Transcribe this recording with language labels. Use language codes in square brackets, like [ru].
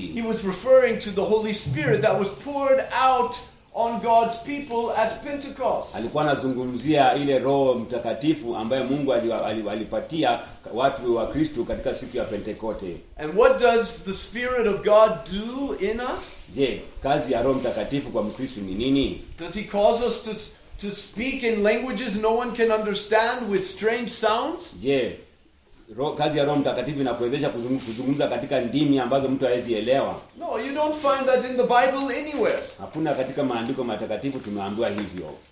[en] He was referring to the Holy Spirit that was poured out on God's people at Pentecost. [sw] Alikuwa anazungumzia ile Roho Mtakatifu ambaye Mungu alipatia watu wa Kristo katika siku ya Pentekoste. [en] And what does the Spirit of God do in us? [sw] Je, kazi ya Roho Mtakatifu kwa Mkristo ni nini? [en] Does he cause us to speak in languages no one can understand with strange sounds? [sw] Je, kazi ya Roho Mtakatifu inakuwezesha kuzungumza katika ndimi ambazo mtu hawezi elewa? [en] No, you don't find that in the Bible anywhere. [sw] Hakuna katika maandiko matakatifu tumeambiwa hivyo.